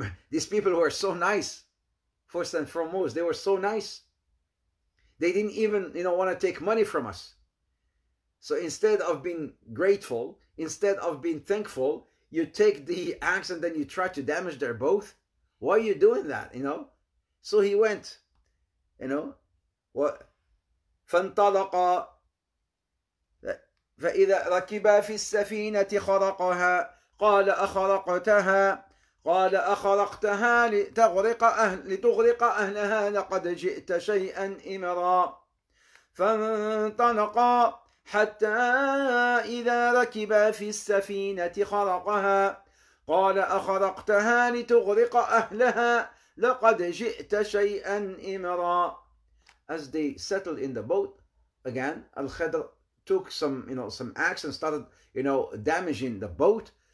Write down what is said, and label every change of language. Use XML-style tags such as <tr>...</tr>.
<en>These people were so nice, first and foremost. They were so nice. They didn't even, you know, want to take money from us. So instead of being grateful, instead of being thankful, you take the axe and then you try to damage their boat. Why are you doing that, you know? So he went, you know, what?</en> <ar>فَانْطَلَقَ فَإِذَا رَكِبَ فِي السَّفِينَةِ خَرَقَهَا قَالَ أَخَرَقْتَهَا قَالَ أَخَرَقْتَهَا لِتُغْرِقَ أَهْلَهَا لَقَدْ جِئْتَ شَيْئًا إِمْرًا فَانْطَلَقَ حتى إذا ركب في السفينة خرقها قال أخرقتها لتغرق أهلها لقد جئت شيئا إمرا.</ar> <en>As they settled in the boat, again Al-Khidr took some, you know, some axe and started, you know, damaging the boat.</en>